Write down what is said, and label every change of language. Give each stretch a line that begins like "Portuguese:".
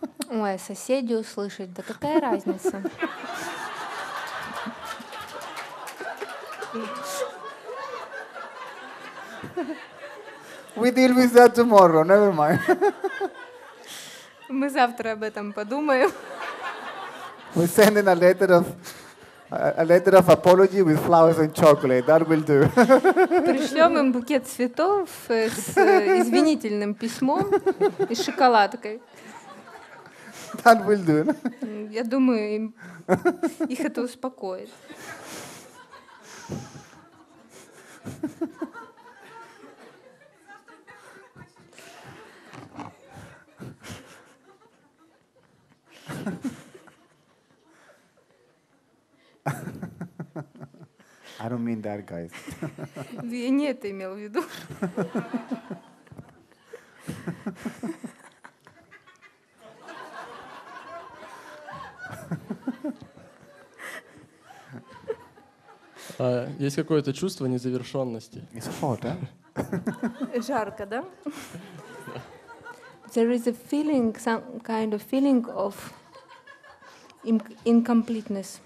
Russian: Ой, соседи услышать, да какая разница?
English: We deal with that tomorrow, never mind.
Russian: Мы завтра об этом подумаем.
English: We send in a letter of apology with flowers and chocolate. That will do.
Russian: Пришлем им букет цветов с извинительным письмом и шоколадкой.
English: That will do.
Russian: Я думаю, их это успокоит.
English: I don't mean that, guys.
Russian: Я не это имел в виду. Есть какое-то чувство незавершенности.
English: It's hot,
Russian: да? Жарко, да?
English: There is a feeling, some kind of feeling of incompleteness.